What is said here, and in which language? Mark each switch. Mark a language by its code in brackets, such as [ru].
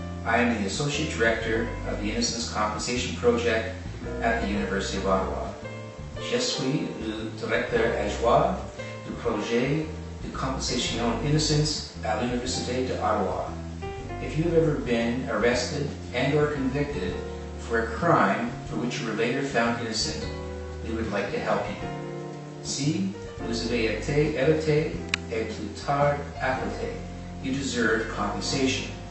[en] I am the Associate Director of the Innocence Compensation Project at the University of Ottawa. [fr] Je suis le directeur adjoint du projet de compensation innocence at l'Université d'Ottawa. [en] If you have ever been arrested and or convicted for a crime for which you were later found innocent, we would like to help you. [fr] Si vous avez été arrêté et plus tard arrêté, [en] you deserve compensation.